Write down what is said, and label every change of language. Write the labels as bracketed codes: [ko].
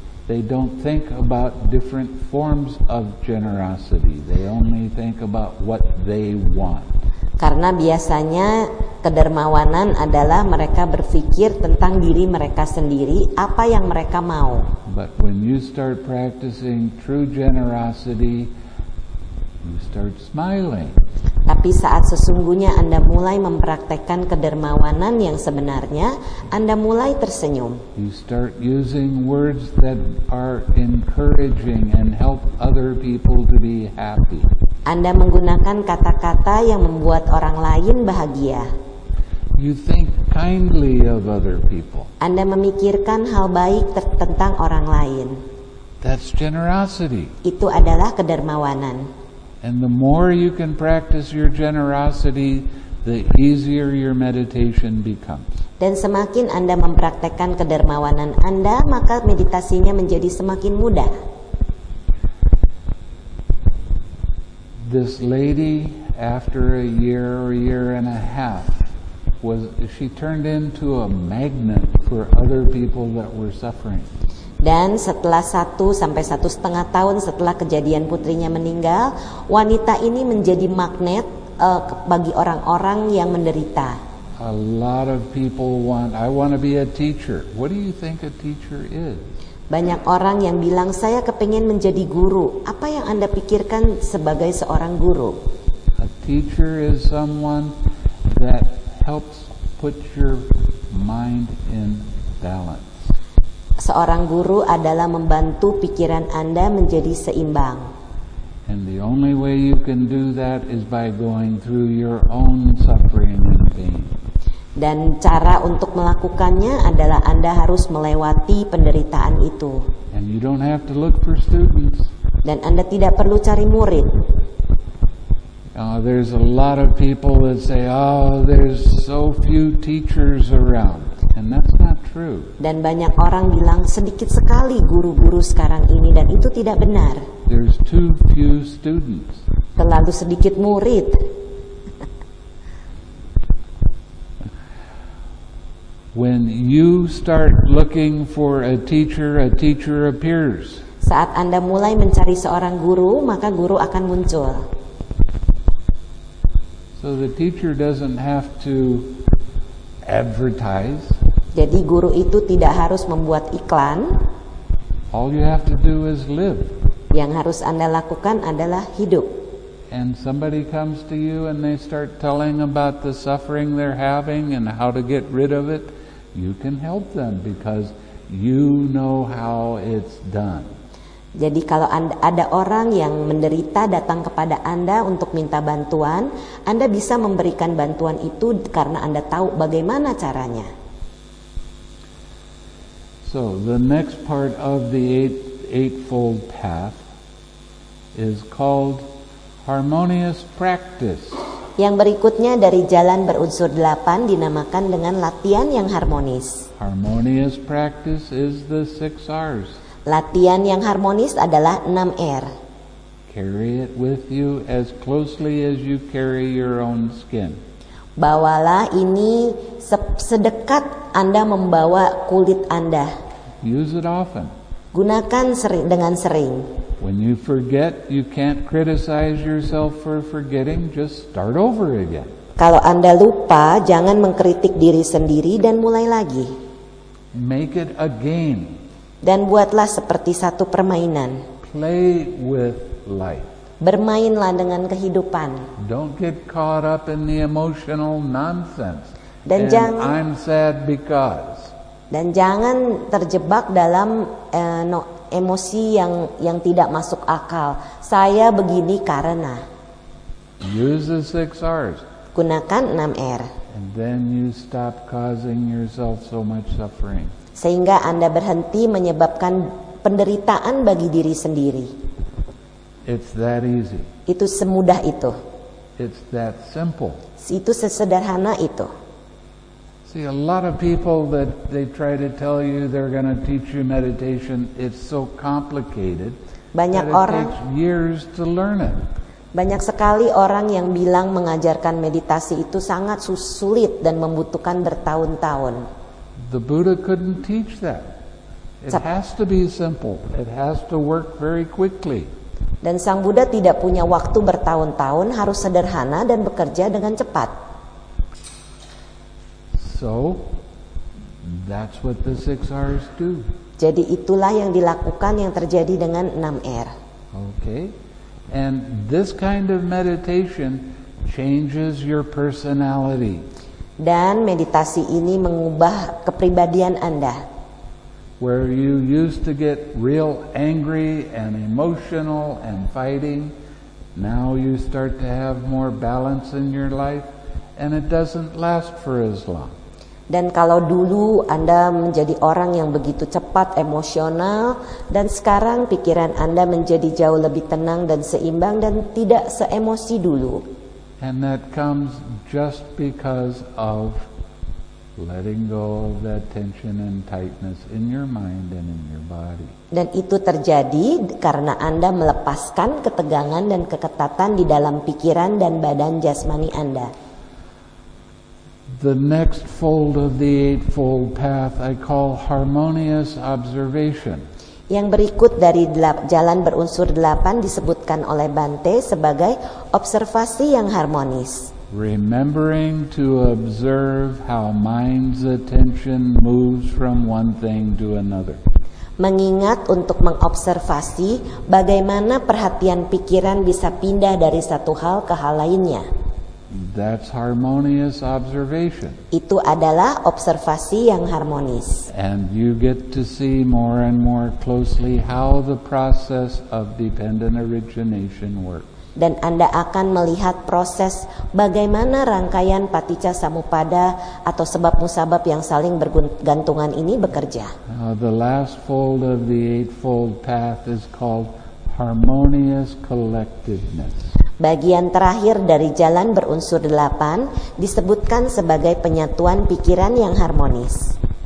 [en] They don't think about different forms of generosity. They only think about what they want. [id] Karena biasanya kedermawanan adalah mereka berpikir tentang diri mereka sendiri, apa yang mereka mau. [en] But when you start practicing true generosity, you start smiling. [id] Tapi saat sesungguhnya Anda mulai mempraktekkan kedermawanan yang sebenarnya, Anda mulai tersenyum. [en] You start using words that are encouraging and help other people to be happy. [id] Anda menggunakan kata-kata yang membuat orang lain bahagia. [en] You think kindly of other people. [id] Anda memikirkan hal baik tentang orang lain. [en] That's generosity. [id] Itu adalah kedermawanan. [en] And the more you can practice your generosity, the easier your meditation becomes. [id] Dan semakin Anda mempraktekkan kedermawanan Anda, maka meditasinya menjadi semakin mudah. [en] This lady, after a year or year and a half, she turned into a magnet for other people that were suffering. [id] Dan setelah 1 sampai 1.5 tahun setelah kejadian putrinya meninggal, wanita ini menjadi magnet bagi orang-orang yang menderita. [en] A lot of people want, I want to be a teacher. What do you think a teacher is? [id] Banyak orang yang bilang, saya kepengen menjadi guru. Apa yang Anda pikirkan sebagai seorang guru? [en] A teacher is someone that helps put your mind in balance. [id] Seorang guru adalah membantu pikiran Anda menjadi seimbang. [en] And the only way you can do that is by going through your own suffering and pain. [id] Dan cara untuk melakukannya adalah Anda harus melewati penderitaan itu. [en] And you don't have to look for students. [id] Dan Anda tidak perlu cari murid. [en] There's a lot of people that say, oh, there's so few teachers around. And that's not true. [id] Dan banyak orang bilang sedikit sekali guru-guru sekarang ini dan itu tidak benar. [en] There's too few students. [id] Terlalu sedikit murid. [en] When you start looking for a teacher appears. [id] Saat Anda mulai mencari seorang guru, maka guru akan muncul. [en] So the teacher doesn't have to advertise. [id] Jadi guru itu tidak harus membuat iklan. [en] All you have to do is live. [id] Yang harus Anda lakukan adalah hidup. [en] And somebody comes to you and they start telling about the suffering they're having and how to get rid of it. You can help them because you know how it's done. [id] Jadi kalau ada orang yang menderita datang kepada Anda untuk minta bantuan, Anda bisa memberikan bantuan itu karena Anda tahu bagaimana caranya. [en] So the next part of the eightfold path is called harmonious practice. [id] Yang berikutnya dari jalan berunsur 8 dinamakan dengan latihan yang harmonis. [en] Harmonious practice is the 6 R's. [id] Latihan yang harmonis adalah 6 R. [en] Carry it with you as closely as you carry your own skin. [id] Bawalah ini sedekat Anda membawa kulit Anda. [en] Use it often. [id] Gunakan dengan sering. [en] When you forget, you can't criticize yourself for forgetting. Just start over again. [id] Kalau Anda lupa, jangan mengkritik diri sendiri dan mulai lagi. [en] Make it a game. [id] Dan buatlah seperti satu permainan. [en] Play with life. [id] Bermainlah dengan kehidupan. [en] Don't get caught up in the emotional nonsense. [id] Dan jangan. [en] I'm sad because. [id] Dan jangan terjebak dalam emosi yang tidak masuk akal. Saya begini karena. [en] Use the 6 R's. [id] Gunakan 6 R. [en] And then you stop causing yourself so much suffering. [id] Sehingga Anda berhenti menyebabkan penderitaan bagi diri sendiri. [en] It's that easy. [id] Itu semudah itu. [en] It's that simple. [id] Itu sesederhana itu. [en] See, a lot of people that they try to tell you they're going to teach you meditation, it's so complicated. [id] Banyak orang, [en] it takes years to learn it. [id] Banyak sekali orang yang bilang mengajarkan meditasi itu sangat sulit dan membutuhkan bertahun-tahun. [en] The Buddha couldn't teach that. It has to be simple. It has to work very quickly. [id] Dan Sang Buddha tidak punya waktu bertahun-tahun, harus sederhana dan bekerja dengan cepat. [en] So, that's what the 6 hours do. [id] Jadi itulah yang dilakukan, yang terjadi dengan 6R. [en] Okay. And this kind of meditation changes your personality. [id] Dan meditasi ini mengubah kepribadian Anda. [en] Where you used to get real angry and emotional and fighting, now you start to have more balance in your life, and it doesn't last for as long. [id] Dan kalau dulu Anda menjadi orang yang begitu cepat emosional, dan sekarang pikiran Anda menjadi jauh lebih tenang dan seimbang dan tidak seemosi dulu. [en] And that comes just because of letting go of that tension and tightness in your mind and in your body. [id] Dan itu terjadi karena Anda melepaskan ketegangan dan keketatan di dalam pikiran dan badan jasmani Anda. [en] The next fold of the Eightfold Path I call harmonious observation. [id] Yang berikut dari jalan berunsur 8 disebutkan oleh Bante sebagai observasi yang harmonis. [en] Remembering to observe how mind's attention moves from one thing to another. [id] Mengingat untuk mengobservasi bagaimana perhatian pikiran bisa pindah dari satu hal ke hal lainnya. [en] That's harmonious observation. [id] Itu adalah observasi yang harmonis. [en] And you get to see more and more closely how the process of dependent origination works. [id] Dan Anda akan melihat proses bagaimana rangkaian paticca samuppada atau sebab musabab yang saling bergantungan ini bekerja. [en] The last fold of the Eightfold Path is called harmonious collectiveness. [id] Bagian terakhir dari jalan berunsur 8 disebutkan sebagai penyatuan pikiran yang harmonis.